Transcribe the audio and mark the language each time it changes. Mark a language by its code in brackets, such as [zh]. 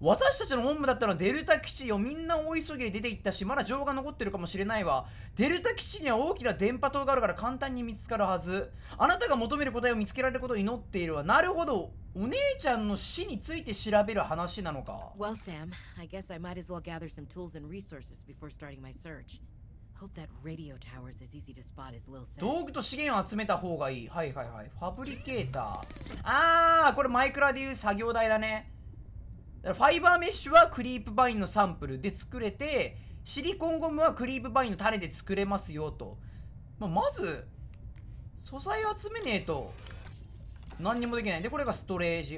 [ja] 私たちの本部だったのはデルタ基地よ。みんな大急ぎで出て行ったし、まだ情報が残ってるかもしれないわ。デルタ基地には大きな電波塔があるから簡単に見つかるはず。あなたが求める答えを見つけられることを祈っているわ。なるほど、お姉ちゃんの死について調べる話なのか。 [en] Well, Sam, I guess I might as well gather some tools and resources before starting my search. Hope that radio tower is easy to spot as Lil said. [ja] 道具と資源を集めた方がいい。はいはいはい。ファブリケーター。ああ、これマイクラでいう作業台だね。だファイバーメッシュはクリープバインのサンプルで作れて、シリコンゴムはクリープバインの種で作れますよと。まあ、まず、素材集めねえと、何にもできない。で、これがストレージ。